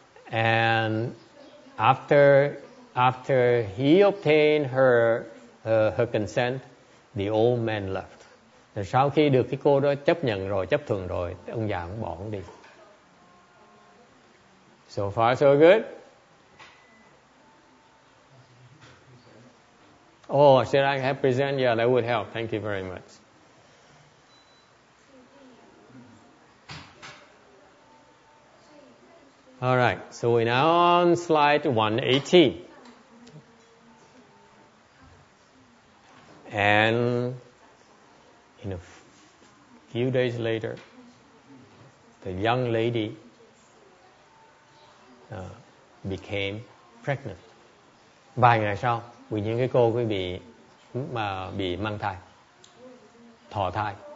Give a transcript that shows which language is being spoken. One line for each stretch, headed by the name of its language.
English: And after he obtained her consent, the old man left.
Vietnamese: Rồi sau khi được cái cô đó chấp nhận rồi, chấp thuận rồi, ông già cũng bỏ ông đi.
English: So far so good. Oh, should I have present? Yeah, that would help. Thank you very much. All right, so we're now on slide 118. And in a few days later, the young lady became pregnant.
Vietnamese: Vài ngày sau, vì những cái cô quý vị mà bị mang thai, thọ thai.